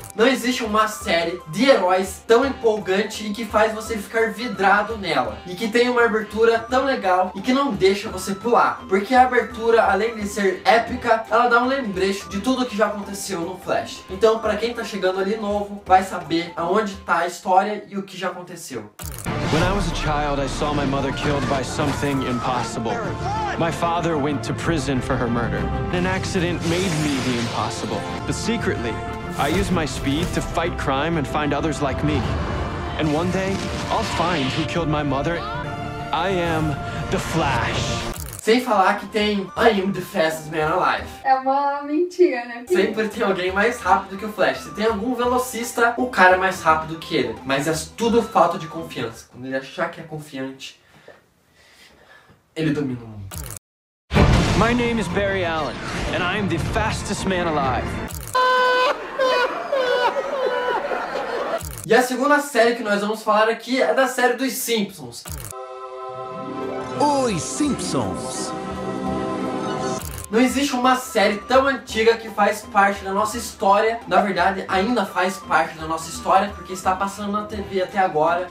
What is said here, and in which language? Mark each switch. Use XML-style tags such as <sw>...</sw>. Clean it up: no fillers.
<pt>Não existe uma série de heróis tão empolgante e que faz você ficar vidrado nela. E que tem uma abertura tão legal e que não deixa você pular. Porque a abertura, além de ser épica, ela dá um lembrete de tudo que já aconteceu no Flash. Então, pra quem tá chegando ali novo, vai saber aonde tá a história e o que já aconteceu.</pt> <en>When I was a child, I saw my mother killed by something impossible. My father went to prison for her murder. An accident made me the impossible. But secretly, I used my speed to fight crime and find others like me. And one day, I'll find who killed my mother. I am the Flash.</en> <pt>Sem falar que tem I Am The Fastest Man Alive. É uma mentira, né? Sempre tem alguém mais rápido que o Flash. Se tem algum velocista, o cara é mais rápido que ele. Mas é tudo falta de confiança. Quando ele achar que é confiante, ele domina o mundo.</pt> <en>My name is Barry Allen, and I am the fastest man alive.</en> <pt>E a segunda série que nós vamos falar aqui é da série dos Simpsons. Os Simpsons. Não existe uma série tão antiga que faz parte da nossa história. Na verdade, ainda faz parte da nossa história, porque está passando na TV até agora.</pt>